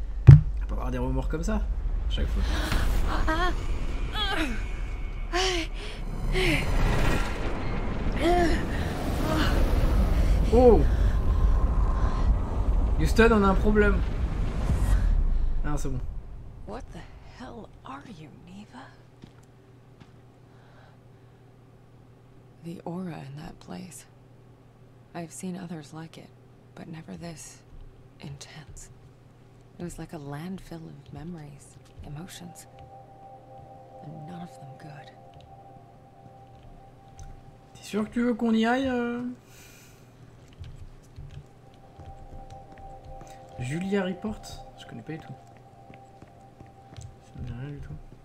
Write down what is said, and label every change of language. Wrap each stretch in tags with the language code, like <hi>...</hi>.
<fr>On peut avoir des remords comme ça. Chaque fois. Oh! Houston, on a un problème. Ah, c'est bon.</fr> <en>What the hell are you, Neva? The aura in that place. I've seen others like it, but never this intense. It was like a landfill of memories. Emotions, and none of them good.</en> <fr>T'es sûr que tu veux qu'on y aille, Julia Report? Je connais pas du tout. Ça me dit rien du tout.</fr>